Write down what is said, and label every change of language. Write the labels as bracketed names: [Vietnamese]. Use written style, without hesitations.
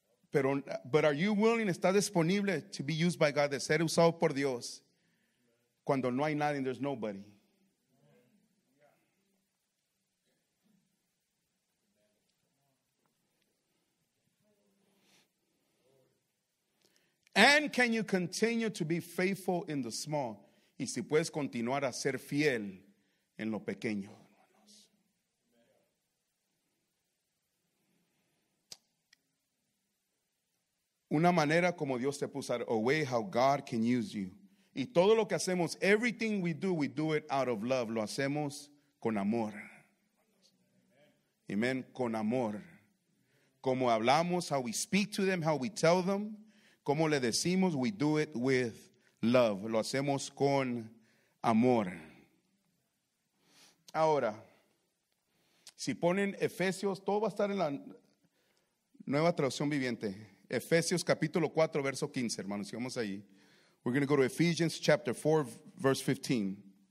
[English] But are you willing, [Spanish] está disponible [English] to be used by God, [Spanish] de ser usado por Dios cuando no hay nadie, [English] there's nobody. And can you continue to be faithful in the small? [Spanish] Y si puedes continuar a ser fiel en lo pequeño. Una manera como Dios te puso, [English] a way how God can use you. [Spanish] Y todo lo que hacemos, [English] everything we do it out of love. [Spanish] Lo hacemos con amor. Amen. Con amor. Como hablamos, [English] how we speak to them, how we tell them. [Spanish] Como le decimos, [English] we do it with love. [Spanish] Lo hacemos con amor. Ahora, si ponen Efesios, todo va a estar en la Nueva Traducción Viviente. Efesios capítulo 4, verso 15, hermanos, si vamos ahí. [English] We're going to go to Ephesians chapter 4, verse 15.